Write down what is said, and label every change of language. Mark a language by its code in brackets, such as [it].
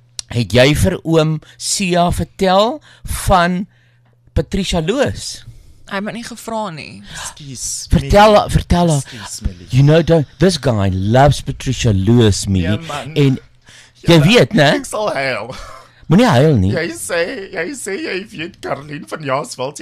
[af] Het jy vir oom Sia vertel van Patricia Loos? Hy het my nie gevra nie. [en] Excuse. [af] Vertel haar. [en] You know, this guy loves Patricia Lewis, me. [af] Ja, en jy weet, né? Ek sal huil. Moenie huil nie. Jy sê jy weet Caroline van Jaarsveld.